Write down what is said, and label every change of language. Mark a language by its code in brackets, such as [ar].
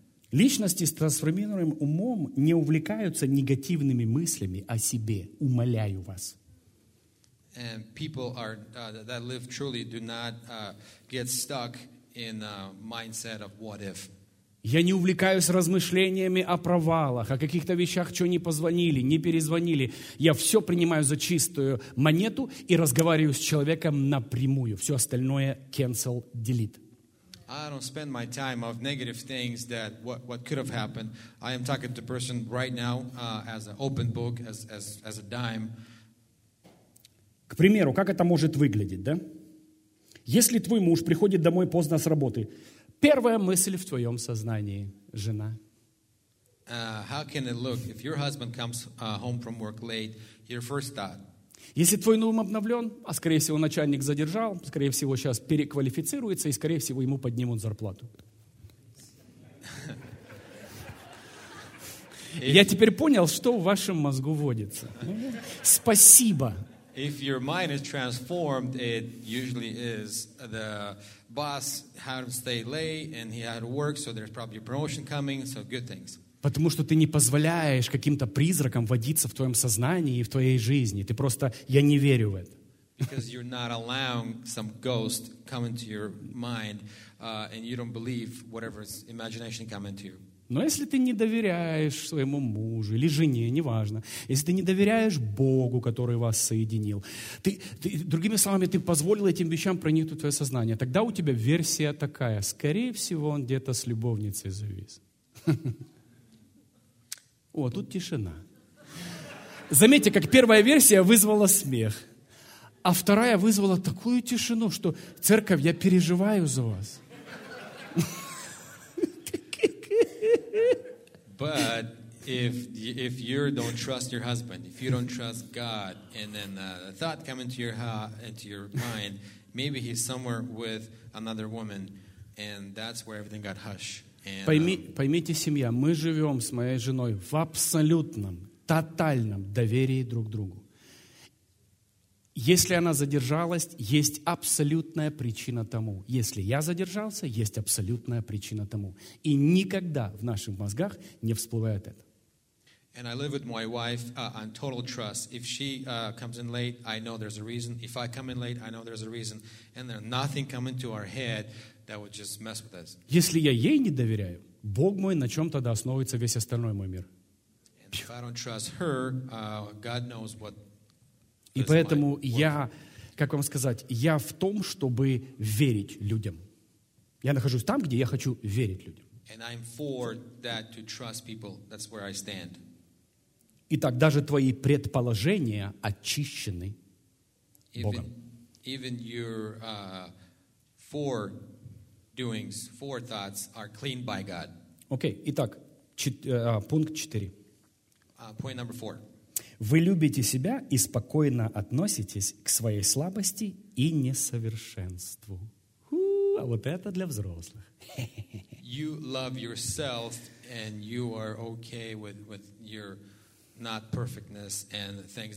[ru] Личности с трансформированным умом не увлекаются негативными мыслями о себе, умоляю вас. [en] And people are, that live truly do not get stuck in a mindset of what if. [ru] Я не увлекаюсь размышлениями о провалах, о каких-то вещах, что не позвонили, не перезвонили. Я все принимаю за чистую монету и разговариваю с человеком напрямую. Все остальное [en] cancel, delete. I don't spend my time of negative things that what could have happened. I am talking to person right now as an open book, as a dime. [ru] К примеру, как это может выглядеть, да? Если твой муж приходит домой поздно с работы, первая мысль в твоем сознании – жена. [en] How can it look if your husband comes home from work late, your first thought? [ru] Если твой ум обновлен, а скорее всего начальник задержал, скорее всего сейчас переквалифицируется и скорее всего ему поднимут зарплату. Я теперь понял, что в вашем мозгу водится. Спасибо. [en] If your mind is transformed, it usually is. The boss had to stay late, and he had to work, so there's probably a promotion coming, so good things. [ru] Потому что ты не позволяешь каким-то призракам водиться в твоем сознании и в твоей жизни. Ты просто, я не верю в это. [en] Because you're not allowing some ghost come into your mind, and you don't believe whatever's imagination come into you. [ru] Но если ты не доверяешь своему мужу или жене, неважно, если ты не доверяешь Богу, который вас соединил, другими словами, ты позволил этим вещам проникнуть в твое сознание, тогда у тебя версия такая. Скорее всего, он где-то с любовницей завис. О, тут тишина. Заметьте, как первая версия вызвала смех, а вторая вызвала такую тишину, что церковь, я переживаю за вас. [en] But if you don't trust your husband, if you don't trust God, and then a thought come into your mind, maybe he's somewhere with another woman, and that's where everything got hush. [ru] Поймите, семья, мы живем с моей женой в абсолютном, тотальном доверии друг к другу. Если она задержалась, есть абсолютная причина тому. Если я задержался, есть абсолютная причина тому. И никогда в наших мозгах не всплывает это. [en] And I live with my wife on total trust. If she comes in late, I know there's a reason. If I come in late, I know there's a reason. And there's nothing come into our head that would just mess with us. [ru] Если я ей не доверяю, Бог мой, на чем тогда основывается весь остальной мой мир? [en] And if I don't trust her, God knows what. [ru] И поэтому я, как вам сказать, я в том, чтобы верить людям. Я нахожусь там, где я хочу верить людям. [en] And I'm for that, to trust people. That's where I stand. [ru] Итак, даже твои предположения очищены Богом. [en] Even your foredoings, forethoughts are cleaned by God. [ru] Окей, итак, пункт 4. [en] Point number four. [ru] Вы любите себя и спокойно относитесь к своей слабости и несовершенству. А вот это для взрослых. [en] You love yourself and you are okay with your not perfectness and things.